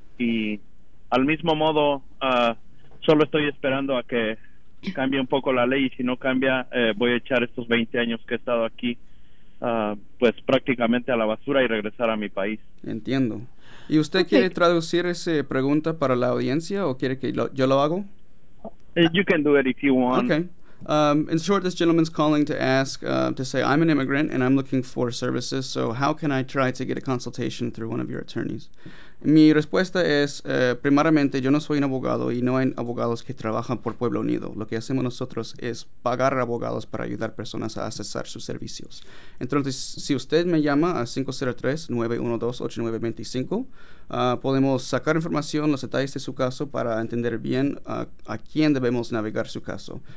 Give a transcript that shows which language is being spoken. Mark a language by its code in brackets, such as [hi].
[es] Y al mismo modo, solo estoy esperando a que cambie un poco la ley, y si no cambia, voy a echar estos 20 años que he estado aquí pues prácticamente a la basura y regresar a mi país. Entiendo. ¿Y usted quiere traducir esa pregunta para la audiencia o quiere que yo lo hago? [en] You can do it if you want. Okay. In short, this gentleman's calling to ask, to say, I'm an immigrant and I'm looking for services, so how can I try to get a consultation through one of your attorneys? [es] Mi respuesta es, primeramente, yo no soy un abogado y no hay abogados que trabajan por Pueblo Unido. Lo que hacemos nosotros es pagar abogados para ayudar personas a accesar sus servicios. Entonces, si usted me llama a 503-912-8925, podemos sacar información, los detalles de su caso para entender bien a quién debemos navegar su caso.